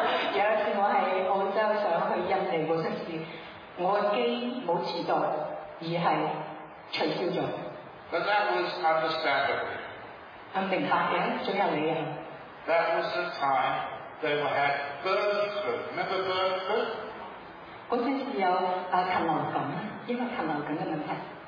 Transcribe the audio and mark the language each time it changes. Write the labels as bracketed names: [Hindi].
[Cantonese] 有一次我喺澳洲想去印尼嗰陣時，我機冇遲到，而係取消咗。 [English] But that was understandable. [Cantonese] 咁明白嘅，最有理由。 [English] That was the time they were had bird flu. Remember bird flu? [Cantonese] 嗰陣時有禽流感，因為禽流感嘅問題。